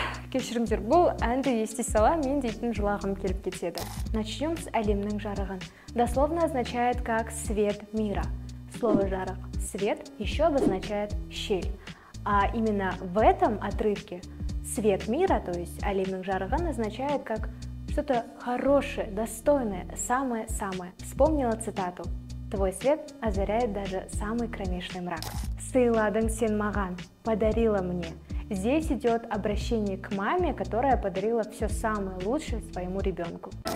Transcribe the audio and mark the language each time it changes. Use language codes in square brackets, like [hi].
[kk] Кешіріңдер, бұл әнді ести сала мен дейтін жылағым келіп кетеді. [ru] Начнем с [kk] «Әлемнің жарығын». [ru] Дословно означает как «свет мира». Слово «жарық» — «свет» еще обозначает «щель». А именно в этом отрывке «свет мира», то есть [kk] «Әлемнің жарығын», [ru] означает как что-то хорошее, достойное, самое-самое. Вспомнила цитату: «Твой свет озаряет даже самый кромешный мрак». [kk] «Сыйладың сен маған» — [ru] «подарила мне». Здесь идет обращение к маме, которая подарила все самое лучшее своему ребенку.